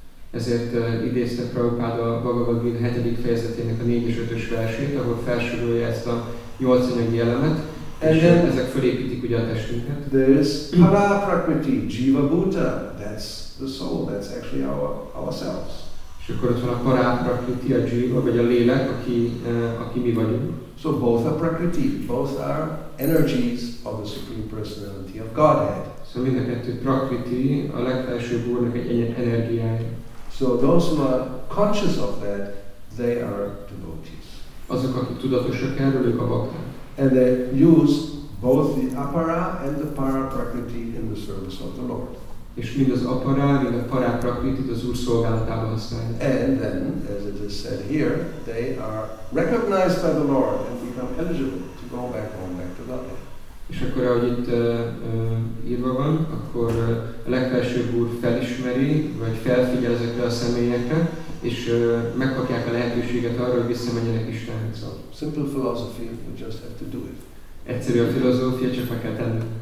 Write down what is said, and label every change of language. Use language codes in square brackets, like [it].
[hu] Ezért idézte Prabhupada a Bhagavad Gita 7. fejezetének a 4-5-ös versét, ahol felsorolja ezt a 8 anyagi elemet, és ezek fölépítik ugye a testünket. [en] There is para prakriti, jiva bhuta, that's the soul, that's actually ourselves. [hu] És akkor ott van a para prakriti, a jiva, vagy a lélek, aki mi vagyunk. [en] So both are prakriti, both are energies of the Supreme Personality of Godhead. [hu] So mind a kettő prakriti, a legfelsőbb Úrnak egy energiája. [en] So those who are conscious of that, they are devotees. [hu] Azok, akik tudatosak erről, ők a bhakták. [en] And they use both the apara and the para prakriti in the service of the Lord. [hu] És mind az apara, mind a para prakriti az Úr szolgálatában használják. [en] And then, as it is said here, they are recognized by the Lord and become eligible to go back home, back to Godhead. [hu] És akkor, ahogy itt írva van, akkor a legfelsőbb Úr felismeri, vagy felfigyel ezekre a személyekre, és megkapják a lehetőséget arra, hogy visszamenjenek Istenhez. [en] Simple philosophy, we just have to do it. [hu] Egyszerű a filozófia, csak meg kell tenni.